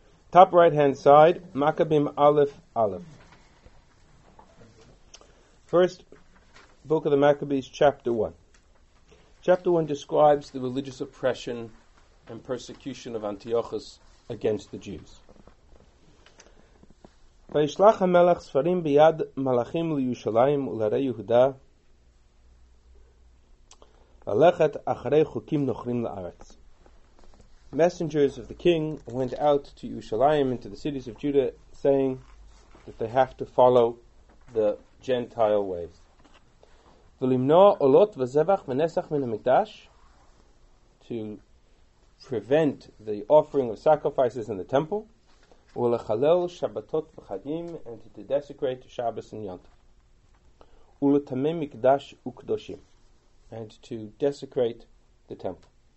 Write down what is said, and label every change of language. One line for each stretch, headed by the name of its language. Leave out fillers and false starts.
English: Top right-hand side, Maccabim Aleph Aleph. First, Book of the Maccabees, Chapter 1. Chapter 1 describes the religious oppression and persecution of Antiochus against the Jews.
Hebrew: וישלח המלך ספרים ביד מלאכים לירושלים ולערי יהודה ללכת אחרי חוקים נוכרים לארץ.
English: Messengers of the king went out to Yerushalayim into the cities of Judah saying that they have to follow the Gentile ways.
Hebrew: ולמנוע עולות וזבח ונסח מן המקדש,
English: to prevent the offering of sacrifices in the temple,
Hebrew: ולחלל שבתות וחגים,
English: and to desecrate Shabbos and Yom Tov,
Hebrew: ולטמא מקדש וקדושים,
English: and to desecrate the temple.